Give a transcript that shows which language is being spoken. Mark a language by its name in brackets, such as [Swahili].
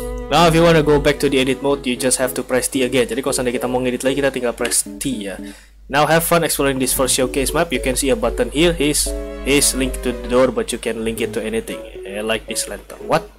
[English] Now if you wanna go back to the edit mode, you just have to press T again. [Indonesian] Jadi kalau sampai kita mau ngedit lagi, kita tinggal press T ya. [English] Now have fun exploring this first showcase map. You can see a button here. Here's link to the door, but you can link it to anything. I like this lantern. What?